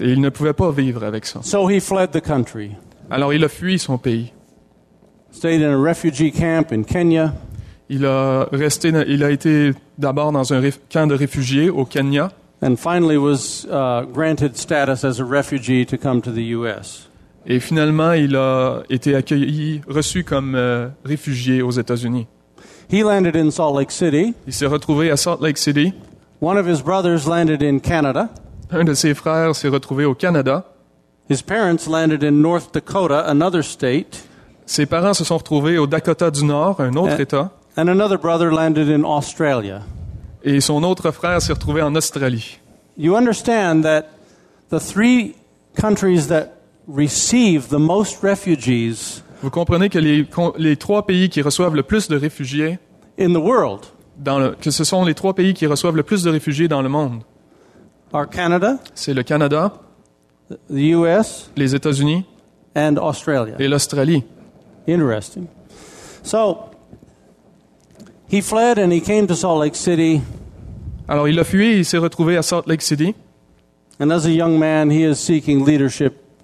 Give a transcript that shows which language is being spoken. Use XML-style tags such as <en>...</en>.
<fr>Et il ne pouvait pas vivre avec ça.</fr> <en>So he fled the country.</en> <fr>Alors, il a fui son pays.</fr> <en>Stayed in a refugee camp in Kenya.</en> <fr>Il a été d'abord dans un camp de réfugiés au Kenya.</fr> <en>And finally was granted status as a refugee to come to the U.S.</en> <fr>Et finalement, il a été accueilli, reçu comme réfugié aux États-Unis.</fr> <en>He landed in Salt Lake City.</en> <fr>Il s'est retrouvé à Salt Lake City.</fr> <en>One of his brothers landed in Canada.</en> <fr>Un de ses frères s'est retrouvé au Canada.</fr> <en>His parents landed in North Dakota, another state.</en> <fr>Ses parents se sont retrouvés au Dakota du Nord, un autre état.</fr> <en>And another brother landed in Australia.</en> <fr>Et son autre frère s'est retrouvé en Australie.</fr> <en>You understand that the three countries that receive the most refugees.</en> <fr>Vous comprenez que les trois pays qui reçoivent le plus de réfugiés</fr> <en>in the world,</en> <fr>que ce sont les trois pays qui reçoivent le plus de réfugiés dans le monde.</fr> <en>Are Canada,</en> <fr>c'est le Canada,</fr> <en>the US,</en> <fr>les États-Unis</fr> <en>and Australia.</en> <fr>Et l'Australie.</fr> <en>Interesting. So he fled and he came to Salt Lake City.</en> <fr>Alors il a fui et il s'est retrouvé à Salt Lake City.</fr> <en>And as a young man, he is seeking leadership.</en>